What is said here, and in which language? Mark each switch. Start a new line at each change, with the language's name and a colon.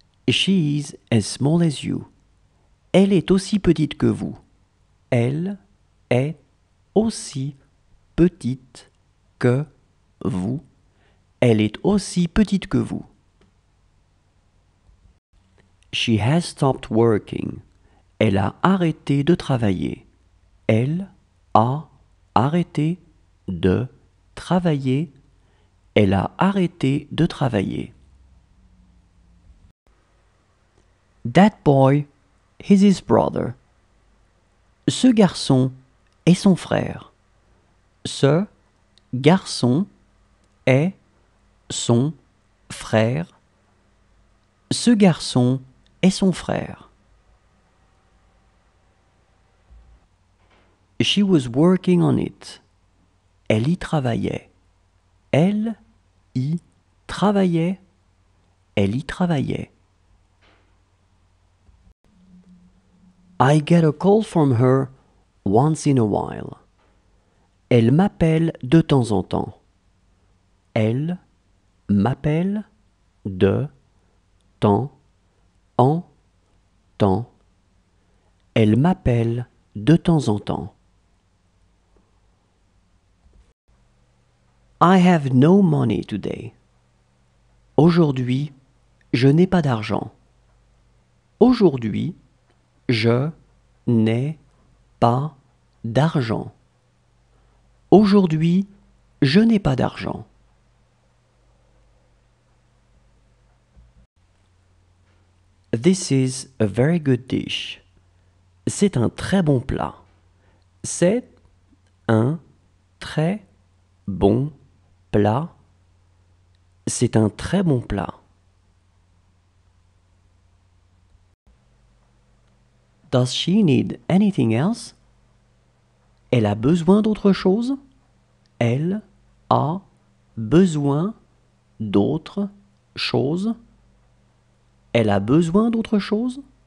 English: She's as small as you.
French: Elle est aussi petite que vous. Elle est aussi petite que vous. Elle est aussi petite que vous.
English: She has stopped working.
French: Elle a arrêté de travailler. Elle a arrêté de travailler. Elle a arrêté de travailler.
English: That boy is his brother.
French: Ce garçon est son frère. Ce garçon est son frère. Ce garçon est son frère.
English: She was working on it.
French: Elle y travaillait. Elle y travaillait. Elle y travaillait.
English: I get a call from her once in a while.
French: Elle m'appelle de temps en temps. Elle m'appelle de temps en temps. Elle m'appelle de temps en temps.
English: I have no money today.
French: Aujourd'hui, je n'ai pas d'argent. Aujourd'hui, je n'ai pas d'argent. Aujourd'hui, je n'ai pas d'argent.
English: This is a very good dish.
French: C'est un très bon plat. C'est un très bon plat. C'est un très bon plat.
English: Does she need anything else?
French: Elle a besoin d'autre chose? Elle a besoin d'autre chose? Elle a besoin d'autre chose?